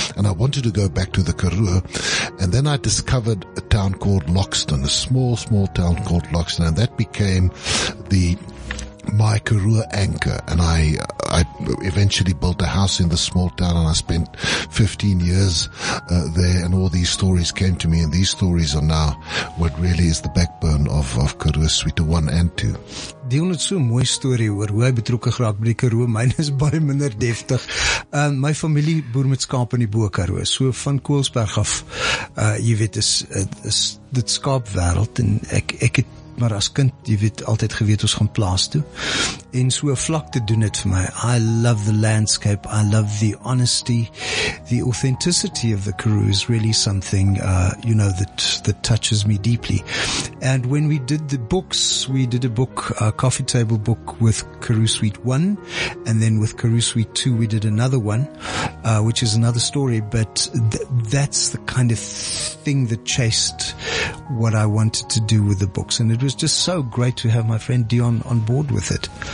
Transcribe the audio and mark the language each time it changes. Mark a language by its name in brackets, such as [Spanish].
[English] And I wanted to go back to the Karoo, and then I discovered a town called Loxton, a small town called Loxton, and that became the my Karoo anchor. And I eventually built a house in the small town, and I spent 15 years there, and all these stories came to me, and these stories are now what really is the backbone of Karoo Suite 1 and 2. [Afrikaans] Dion het so 'n mooi storie oor hoe hy betrokke geraak by die Karoo. Myne is baie minder deftig. My familie boer met skaap in die Bo-Karoo. So van Koelsberg af, jy weet, is dit skaapwêreld, en ek het maar as kind, jy weet, altyd geweet ons gaan plaas toe, en so vlak te doen het vir my. [English] I love the landscape, I love the honesty, the authenticity of the Karoo is really something, you know, that touches me deeply. And when we did the books, we did a book, a coffee table book with Karoo Suite 1, and then with Karoo Suite 2 we did another one, which is another story, but that's the kind of thing that chased what I wanted to do with the books, and it was just so great to have my friend Dion on board with it.